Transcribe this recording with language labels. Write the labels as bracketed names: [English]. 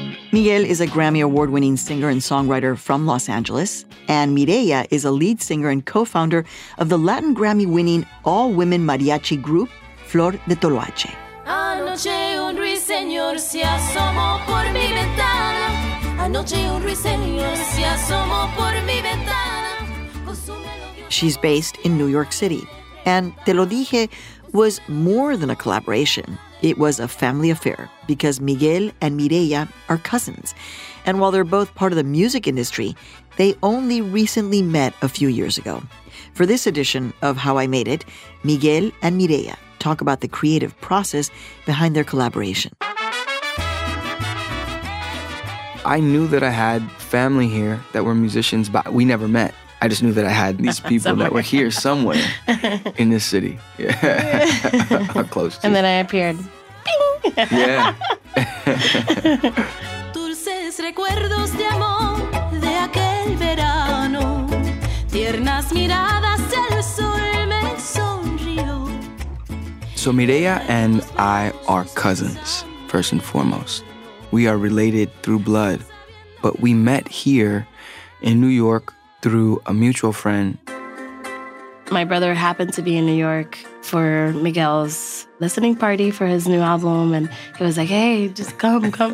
[English] Miguel is a Grammy Award-winning singer and songwriter from Los Angeles, and Mireia is a lead singer and co-founder of the Latin Grammy-winning all-women mariachi group, Flor de Toloache. [Spanish] Anoche un ruiseñor se asomó por mi ventana. Anoche un ruiseñor se asomó por mi ventana. [English] She's based in New York City, and Te Lo Dije was more than a collaboration. It was a family affair because Miguel and Mireia are cousins. And while they're both part of the music industry, they only recently met a few years ago. For this edition of How I Made It, Miguel and Mireia talk about the creative process behind their collaboration. I knew that I had family here that were musicians, but we never met. I just knew that I had these people that were here somewhere in this city. Yeah. Close to. And then I appeared. Bing! Yeah. [Spanish] Dulces recuerdos de amor de aquel verano. Tiernas miradas del sol me sonrió. [English] So Mireia and I are cousins, first and foremost. We are related through blood, but we met here in New York through a mutual friend. My brother happened to be in New York for Miguel's listening party for his new album, and he was like, hey, just come.